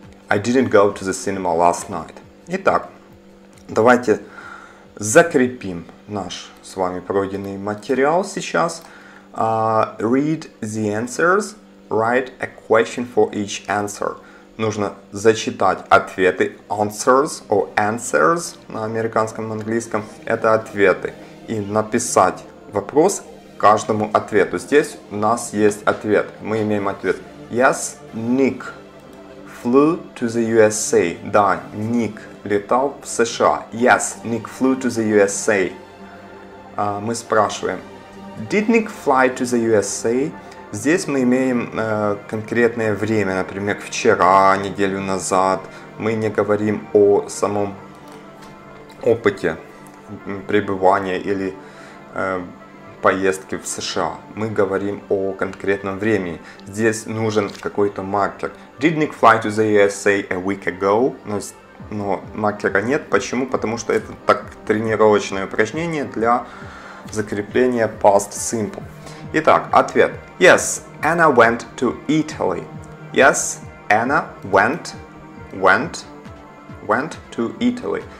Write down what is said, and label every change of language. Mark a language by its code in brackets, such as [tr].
[en] I didn't go to the cinema last night. [ru] Итак, давайте закрепим наш с вами пройденный материал сейчас. [en] Read the answers, write a question for each answer. [ru] Нужно зачитать ответы, answers, or answers на американском, английском, это ответы. И написать вопрос каждому ответу. Здесь у нас есть ответ. Мы имеем ответ. [en] Yes, Nick flew to the USA. [ru] Да, Nick летал в США. [en] Yes, Nick flew to the USA. [ru] Мы спрашиваем. [en] Did Nick fly to the USA? [ru] Здесь мы имеем конкретное время, например, вчера, неделю назад. Мы не говорим о самом опыте пребывания или поездки в США. Мы говорим о конкретном времени. Здесь нужен какой-то маркер. [en] Didn't fly to the USA a week ago? [ru] Но маркера нет. Почему? Потому что это так тренировочное упражнение для закрепления past simple. Итак, ответ. [en] Yes, Anna went to Italy. Yes, Anna went to Italy.